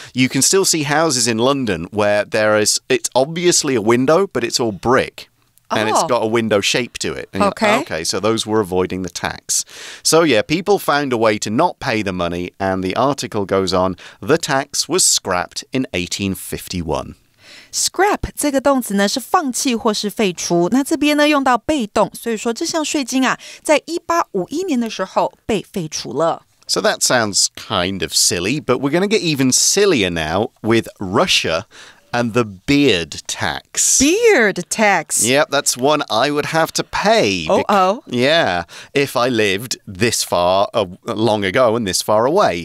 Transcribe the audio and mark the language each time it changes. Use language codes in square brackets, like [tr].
[en] You can still see houses in London where there is, it's obviously a window, but it's all brick. And it's got a window shape to it. Okay, so those were avoiding the tax. So yeah, people found a way to not pay the money, and the article goes on, the tax was scrapped in 1851. [zh] Scrap 这个动词呢是放弃或是废除，那这边呢用到被动，所以说这项税金啊，在1851年的时候被废除了。 [en] So that sounds kind of silly, but we're going to get even sillier now with Russia and the beard tax. Beard tax. Yep, that's one I would have to pay. Yeah, if I lived this far long ago and this far away.